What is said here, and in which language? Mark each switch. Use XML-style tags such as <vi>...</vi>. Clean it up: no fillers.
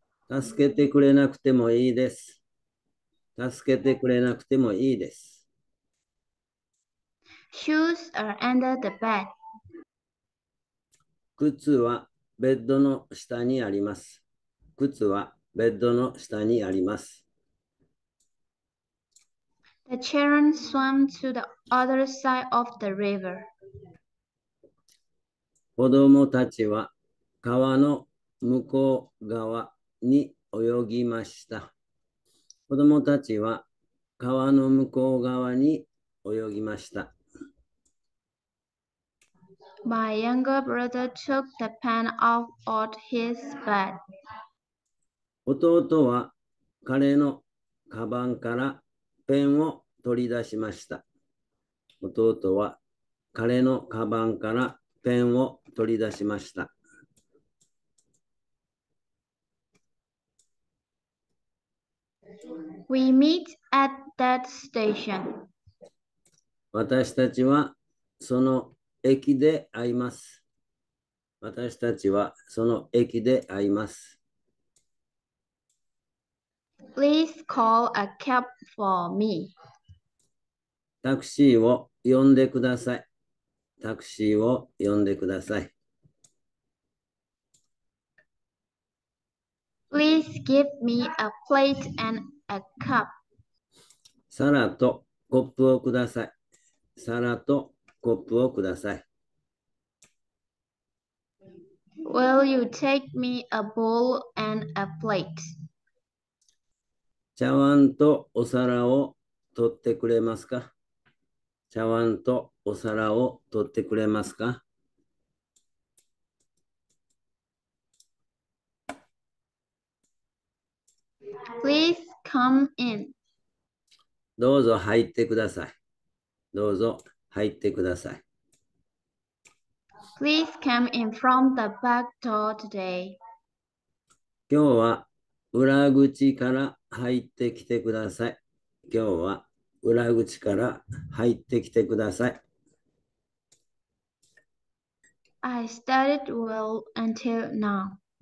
<ja>助けてくれなくてもいいです。助けてくれなくてもいいです。</ja> <en>Shoes are under the bed.</en> <ja>靴はベッドの下にあります。靴はベッドの下にあります。</ja> <en>The children swam to the other side of the river.</en> <ja>子供たちは川の向こう側に泳ぎました。子供たちは川の向こう側に泳ぎました。</ja> <en>My younger brother took the pen off of his bed.</en> <ja>弟は彼のカバンからペンを取り出しました。弟は彼のカバンからペンを取り出しました。</ja> <en>We meet at that station.</en> <ja>私たちはその駅で会います。私たちはその駅で会います。</ja> <en>Please call a cab for me.</en> <ja>タクシーを呼んでください。タクシーを呼んでください。</ja> <en>Please give me a plate and a cup.</en> <ja>皿とコップをください。皿とコップをください。</ja> <en>Will you take me a bowl and a plate?</en> <ja>茶碗とお皿を取ってくれますか？茶碗とお皿を取ってくれますか？</ja> <en>Please come in.</en> <ja>どうぞ入ってください。どうぞ入ってください。</ja> <en>Please come in from the back door today.</en> <ja>今日は裏口から入ってきてください。今日は裏口から入ってきてください。</ja> <en>I studied well until now.</en>